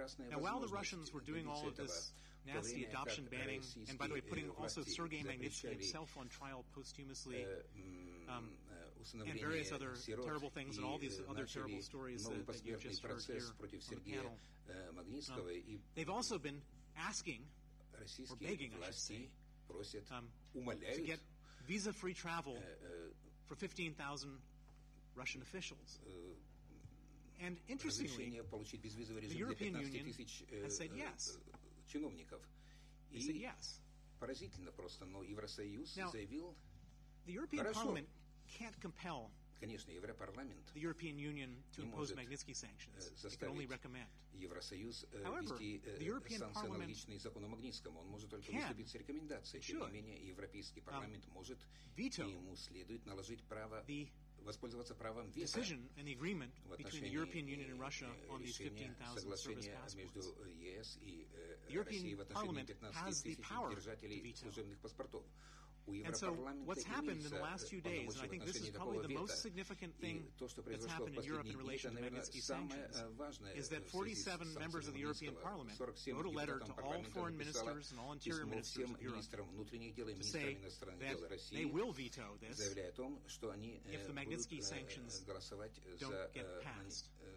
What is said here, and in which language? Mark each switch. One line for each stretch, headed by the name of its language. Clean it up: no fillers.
English: Now, while the Russians were doing all of this nasty adoption banning, and by the way, putting also Sergei Magnitsky himself on trial posthumously, and various other terrible things, and all these other terrible stories that you've just heard here on the panel, they've also been asking, or begging, I should say, to get visa-free travel for 15,000 Russian officials. And interestingly, the European Union has said yes. They said yes.
Russian: Поразительно просто, но Евросоюз заявил.
English: The European Parliament can't compel
Russian: Конечно, Европарламент
English: the European Union to impose Magnitsky sanctions. It can only recommend.
Russian: Евросоюз ввести санкции, аналогичные закону Магнитскому. Он может только выступить с рекомендацией. Тем не менее, Европейский парламент может, и ему следует наложить право воспользоваться правом вето в отношении соглашения между ЕС и Россией в отношении 15 тысяч держателей служебных паспортов.
English: And so what's happened in the last few days, and I think this is probably the most significant thing that's happened in Europe in relation to Magnitsky sanctions, is that 47 members of the European Parliament wrote a letter to all foreign ministers and all interior ministers of Europe to say that they will veto this if the Magnitsky sanctions don't get passed.